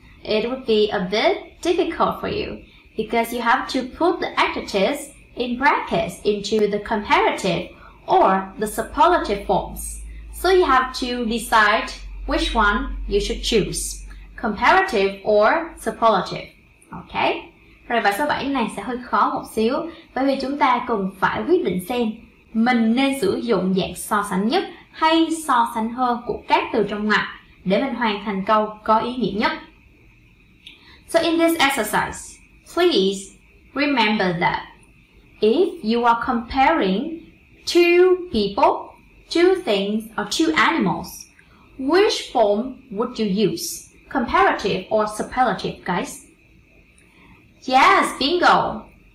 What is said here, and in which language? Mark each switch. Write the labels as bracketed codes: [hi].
[en] It would be a bit difficult for you, because you have to put the adjectives in brackets into the comparative or the superlative forms. So you have to decide which one you should choose, comparative or superlative. Okay? [vi] Rồi bài số 7 này sẽ hơi khó một xíu, bởi vì chúng ta cần phải quyết định xem mình nên sử dụng dạng so sánh nhất hay so sánh hơn của các từ trong ngoặc để mình hoàn thành câu có ý nghĩa nhất. [en] So in this exercise, please remember that if you are comparing two people, two things, or two animals, which form would you use? Comparative or superlative, guys? Yes, bingo!